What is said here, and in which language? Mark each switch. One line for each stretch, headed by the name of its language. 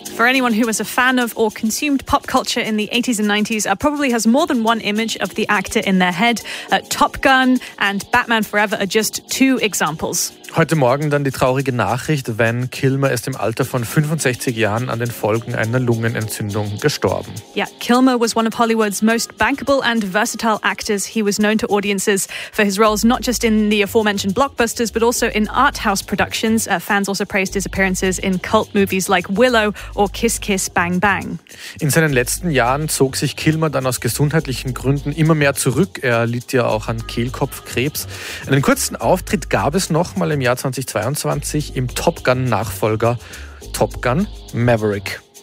English: For anyone who was a fan of or consumed pop culture in the 80s and 90s, probably has more than one image of the actor in their head. Top Gun and Batman Forever are just two examples.
German: Heute Morgen dann die traurige Nachricht, Van Kilmer ist im Alter von 65 Jahren an den Folgen einer Lungenentzündung gestorben.
English: Yeah, Kilmer was one of Hollywood's most bankable and versatile actors. He was known to audiences for his roles not just in the aforementioned blockbusters, but also in arthouse productions. Fans also praised his appearances in cult movies like Willow or Kiss Kiss Bang Bang.
German: In seinen letzten Jahren zog sich Kilmer dann aus gesundheitlichen Gründen immer mehr zurück. Er litt ja auch an Kehlkopfkrebs. Einen kurzen Auftritt gab es nochmal im Jahr 2022 im Top Gun-Nachfolger Top Gun Maverick.